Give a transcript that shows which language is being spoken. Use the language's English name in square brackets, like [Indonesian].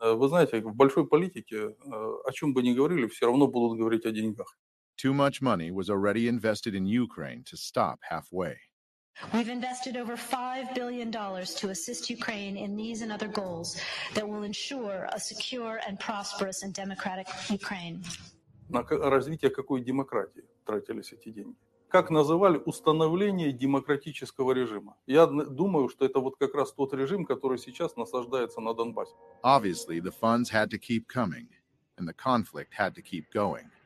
[Ukrainian] Ви знаєте, в великій політиці, о чому би не говорили, все одно будуть говорити [Russian] о деньгах. [English] Too much money was already invested in Ukraine to stop halfway. We've invested over $5 billion to assist Ukraine in these and other goals that will ensure a secure and prosperous and democratic Ukraine. [Ukrainian] На розвиття якої демократії тратилися ці гроші? Як називали установлення демократичного режиму? Я думаю, що це от якраз той режим, який зараз насаждається на Донбасі. [English] Obviously, the funds had to keep coming, and the conflict had to keep going.